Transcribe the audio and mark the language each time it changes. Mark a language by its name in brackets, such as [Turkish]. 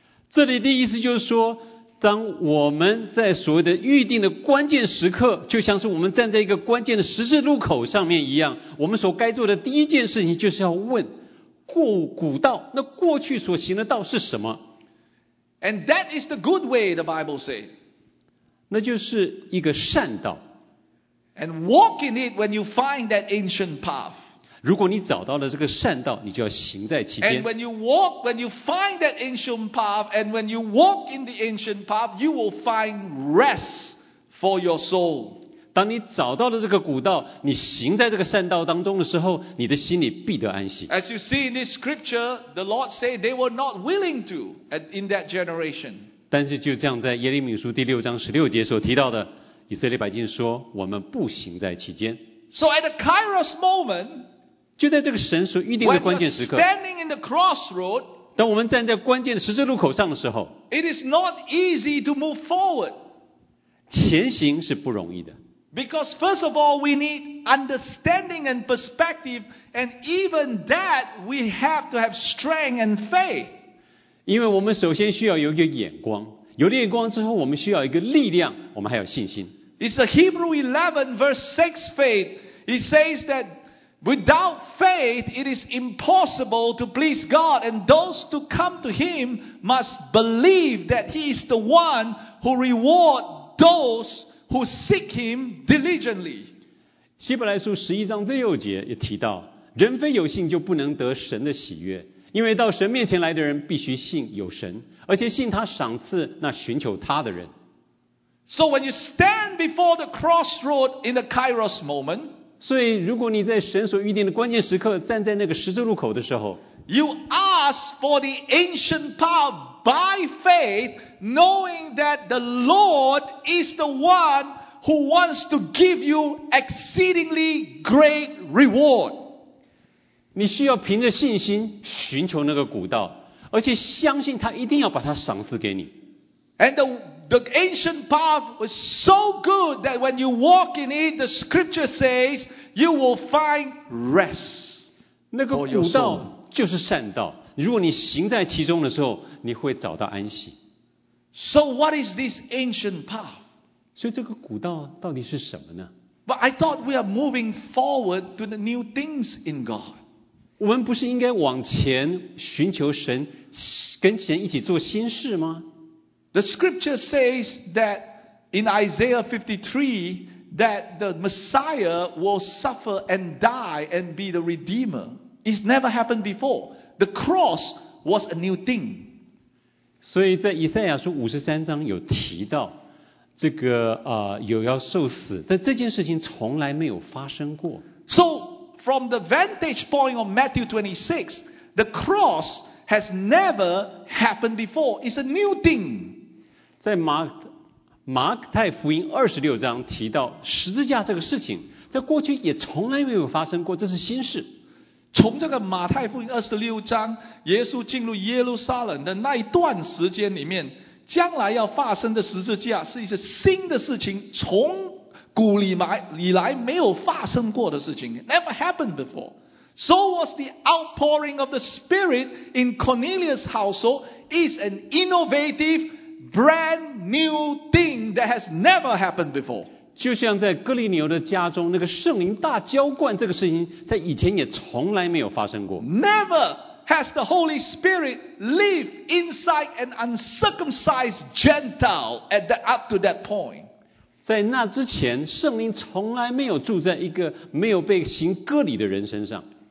[Chinese] 这里的意思就是说，当我们在所谓的预定的关键时刻，就像是我们站在一个关键的十字路口上面一样，我们所该做的第一件事情就是要问古道，那过去所行的道是什么。 [English] And that is the good way, the Bible says. [Chinese] 那就是一个善道。 [English] And walk in it when you find that ancient path. [Chinese] 如果你找到了这个善道，你就要行在其间。 [English] And when you walk, when you find that ancient path, and when you walk in the ancient path, you will find rest for your soul. [Chinese] 当你找到了这个古道，你行在这个善道当中的时候，你的心里必得安息。 [English] As you see in this scripture, the Lord said they were not willing to in that generation. [Chinese] 但是就这样，在耶利米书第六章十六节所提到的，以色列百姓说，我们不行在其间。 [English] So at the Kairos moment, [Chinese] 就在这个神所预定的关键时刻 [English] standing in the crossroad, [Chinese] 当我们站在关键的十字路口上的时候 [English] it is not easy to move forward. [Chinese] 前行是不容易的 [English] because first of all we need understanding and perspective and even that we have to have strength and faith. [Chinese] 因为我们首先需要有一个眼光，有了眼光之后我们需要一个力量，我们还有信心。 [English] It's the Hebrew 11 verse 6 faith. It says thatWithout faith, it is impossible to please God, and those to come to Him must believe that He is the one who rewards those who seek Him diligently. [Chinese] 希伯来书十一章第六节也提到，人非有信就不能得神的喜悦，因为到神面前来的人必须信有神，而且信他赏赐那寻求他的人。 [English] So when you stand before the crossroad in the Kairos moment, [Chinese] 所以如果你在神所预定的关键时刻站在那个十字路口的时候， [English] You ask for the ancient power by faith, knowing that the Lord is the one who wants to give you exceedingly great reward. [Chinese] 你需要凭着信心寻求那个古道，而且相信他一定要把它赏赐给你。 [English] And the ancient path was so good that when you walk in it, the scripture says you will find rest. [Chinese] 那个古道就是善道，如果你行在其中的时候，你会找到安息。 [English] So what is this ancient path? [Chinese] 所以这个古道到底是什么呢？ [English] But I thought we are moving forward to the new things in God. [Chinese] 我们不是应该往前寻求神，跟神一起做新事吗？ [English] The scripture says that in Isaiah 53 that the Messiah will suffer and die and be the Redeemer. It's never happened before. The cross was a new thing. [Chinese] 所以在以赛亚书53章有提到这个有要受死，但这件事情从来没有发生过。 [English] So from the vantage point of Matthew 26, the cross has never happened before. It's a new thing. [Chinese] 在马太福音26章提到十字架这个事情，在过去也从来没有发生过，这是新事。从这个马太福音26章，耶稣进入耶路撒冷的那一段时间里面。将来要发生的十字架是一些新的事情，从古以来没有发生过的事情， [English] never happened before. So was the outpouring of the Spirit in Cornelius' household is an innovative, brand new thing that has never happened before. [Chinese] 就像在哥利牛的家中，那个圣灵大浇灌这个事情，在以前也从来没有发生过。 [English] Never. Has the Holy Spirit lived inside an uncircumcised Gentile up to that point? [Chinese] 在那之前，圣灵从来没有住在一个没有被行割礼的人身上。